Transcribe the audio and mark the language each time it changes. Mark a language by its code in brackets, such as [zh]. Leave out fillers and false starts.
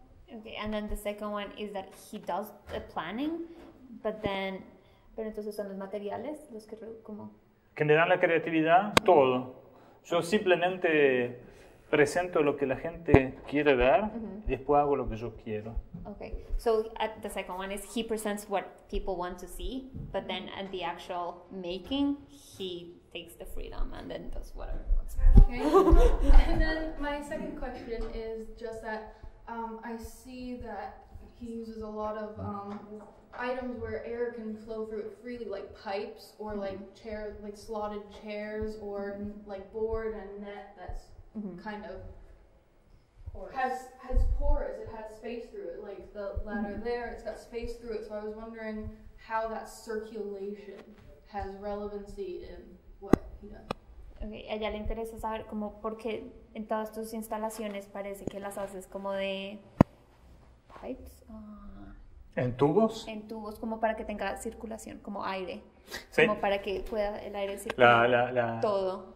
[en] Okay, and then the second one is that he does the planning, but then, [es] pero entonces son los materiales los que como que me dan la creatividad, todo. Yo simplemente presento lo que la gente quiere ver, uh-huh. y después hago lo que yo quiero. [en] Okay, so the second one is he presents what people want to see, but then at the actual making, he takes the freedom and then does whatever he wants. Okay, and then my second question is just that I see that he uses a lot of items where air can flow through it freely, like pipes or mm-hmm. like chair, like slotted chairs or like board and net that's mm-hmm. kind of porous. Has pores, it has space through it, like the ladder mm-hmm. there, it's got space through it, so I was wondering how that circulation has relevancy in what he does. [es] Okay, a ella le interesa saber como por qué en todas tus instalaciones parece que las haces como de pipes. ¿En tubos? En tubos, como para que tenga circulación, como aire. Sí. Como para que pueda el aire circular la. Todo.